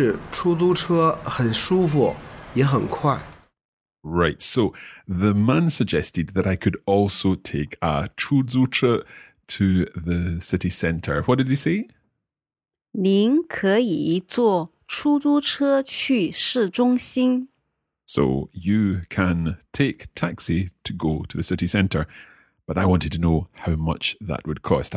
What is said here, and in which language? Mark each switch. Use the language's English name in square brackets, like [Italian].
[Chinese] 您先坐机场线到东直门，转二号线到建国门，然后转一号线到王府井。太难了，我听不懂。您可以坐出租车去市中心。坐出租车多少钱？坐出租车100块，但是出租车很舒服，也很快。 [English] Right, so the man suggested that I could also take a 出租车 to the city centre. What did he say? [Chinese] 您可以坐出租车去市中心. [English] So you can take taxi to go to the city centre, but I wanted to know how much that would cost.